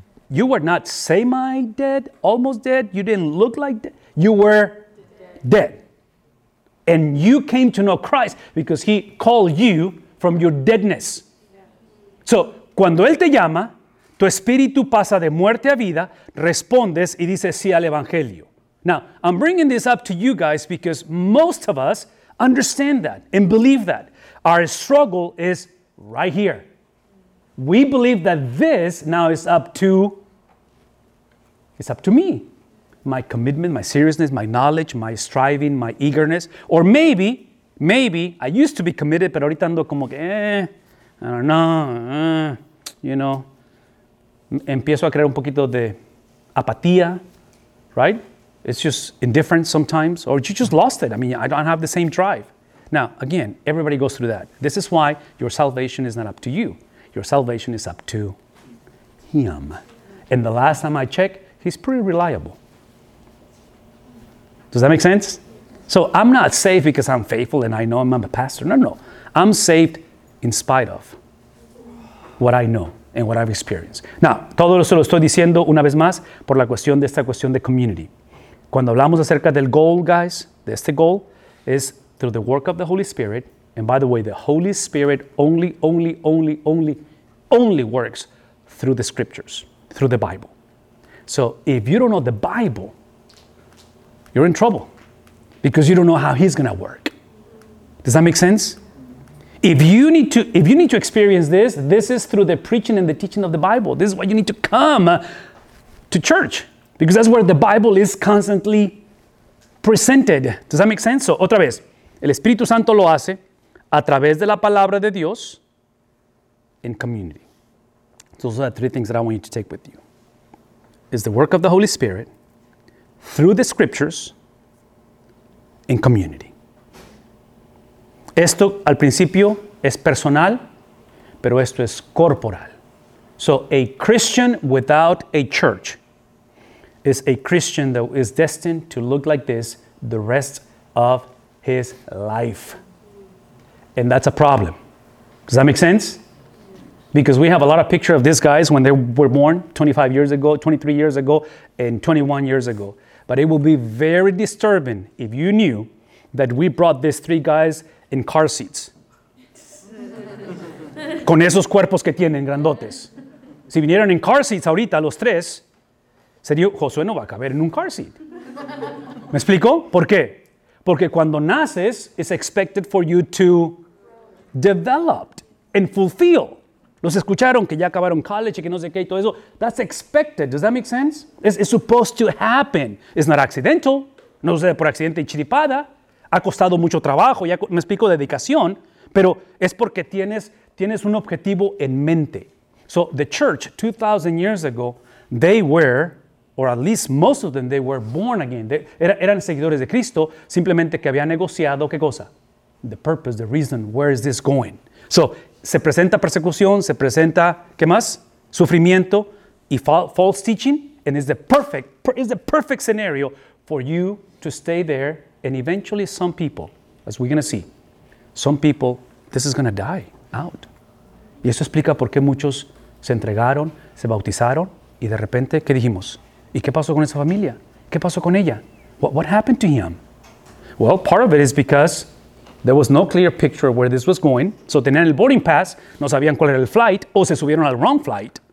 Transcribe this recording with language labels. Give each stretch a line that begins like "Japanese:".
English: You were not semi-dead, almost dead. You didn't look like dead. You were dead. And you came to know Christ because he called you from your deadness.
Spanish: So, cuando Él te llama, tu espíritu pasa de muerte a vida, respondes y dices sí al Evangelio.
English: Now, I'm bringing this up to you guys because most of us understand that and believe that. Our struggle is right here. We believe that this now is up to me. My commitment, my seriousness, my knowledge, my striving, my eagerness. Or maybe, I used to be committed,
Spanish: pero ahorita ando como que,
English: I don't know, you know.
Spanish: Empiezo a crear un poquito de apatía, right?
English: It's just indifference sometimes. Or you just lost it. I mean, I don't have the same drive. Now, again, everybody goes through that. This is why your salvation is not up to you. Your salvation is up to him. And the last time I checked, he's pretty reliable. Does that make sense? So I'm not saved because I'm faithful and I know I'm a pastor. No. I'm saved in spite of what I know and what I've experienced.
Spanish: Now, todo eso lo estoy diciendo una vez más por la cuestión de esta cuestión de community. Cuando hablamos acerca del goal, guys, de este goal, es
English: through the work of the Holy Spirit. And by the way, the Holy Spirit only works through the scriptures, through the Bible. So if you don't know the Bible, you're in trouble because you don't know how he's going to work. Does that make sense? If you need to experience this, this is through the preaching and the teaching of the Bible. This is why you need to come to church, because that's where the Bible is constantly presented. Does that make sense?
Spanish: So, otra vez, el Espíritu Santo lo hace a través de la palabra de Dios
English: in community. So, those are the three things that I want you to take with you. It's the work of the Holy Spirit through the scriptures in community.
Spanish: Esto al principio es personal, pero esto es corporal.
English: So a Christian without a church is a Christian that is destined to look like this the rest of his life. And that's a problem. Does that make sense? Because we have a lot of pictures of these guys when they were born 25 years ago, 23 years ago, and 21 years ago. But it will be very disturbing if you knew that we brought these three guys in car seats.
Spanish: Con esos cuerpos que tienen, grandotes. Si vinieran en car seats ahorita, los tres, sería Josué no va a caber en un car seat. ¿Me explico? ¿Por qué? Porque cuando naces,
English: it's expected for you to develop and fulfill.
Spanish: Los escucharon que ya acabaron college y que no sé qué y todo eso.
English: That's expected. Does that make sense? It's supposed to happen. It's not accidental.
Spanish: No sucede por accidente y chiripada. Ha costado mucho trabajo, ya me explico, dedicación, pero es porque tienes un objetivo en mente.
English: So the church, 2,000 years ago, they were, or at least most of them, they were born again.
Spanish: Eran seguidores de Cristo, simplemente que habían negociado, ¿qué cosa?
English: The purpose, the reason, where is this going?
Spanish: So se presenta persecución, se presenta, ¿qué más? Sufrimiento y
English: false teaching, and it's the perfect scenario for you to stay there. And eventually some people, as we're going to see, some people, this is going to die out.
Spanish: Y eso explica por qué muchos se entregaron, se bautizaron, y de repente, ¿qué dijimos? ¿Y qué pasó con esa familia? ¿Qué pasó con ella?
English: What happened to him? Well, part of it is because there was no clear picture of where this was going.
Spanish: So tenían el boarding pass, no sabían cuál era el flight, o se subieron al wrong flight.